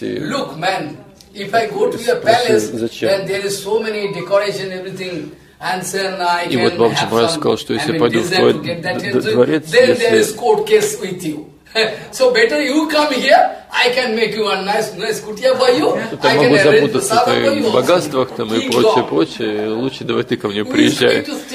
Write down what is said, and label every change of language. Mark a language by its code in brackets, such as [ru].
[en] Look, man, if I go to your palace, then there is so many decoration, everything. [ru] И вот Бабаджи Махарадж сказал, что если пойду в твой дворец, [en] then there is court case with you. So better you come here, I can make you a nice kutia for you. [ru] Там могу запутаться в твоих богатствах там и прочее. Лучше давай ты ко мне приезжай.